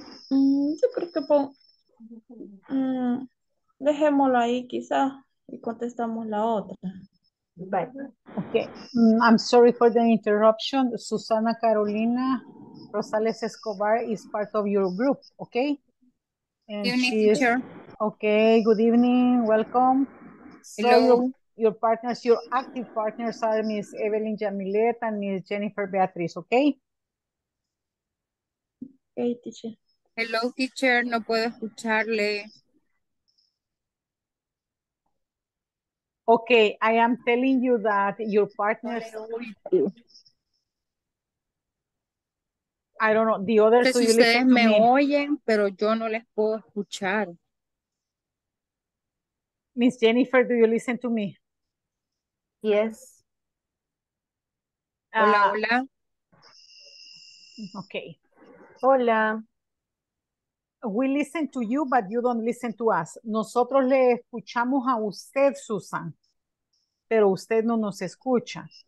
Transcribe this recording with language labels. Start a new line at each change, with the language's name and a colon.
Spanish: Yo creo que pongo, dejémoslo ahí quizás y contestamos la otra.
English: Bye. Okay. I'm sorry for the interruption. Susana Carolina Rosales Escobar is part of your group, okay? And good evening, teacher. Okay, good evening, welcome. So hello. Your partners, your active partners are Ms. Evelyn Jamilet and Ms. Jennifer Beatriz, okay? Hey, teacher. Hello, teacher,
Spanish: no puedo escucharle.
English: Okay, I am telling you that your partners... I don't know, the others...
Spanish: Si ustedes me oyen, pero yo no les puedo escuchar.
English: Miss Jennifer, do you listen to me? Yes.
Spanish: Hola, hola.
English: Okay.
Spanish: Hola.
English: We listen to you, but you don't listen to us.
Spanish: Nosotros le escuchamos a usted, Susan, pero usted no nos escucha.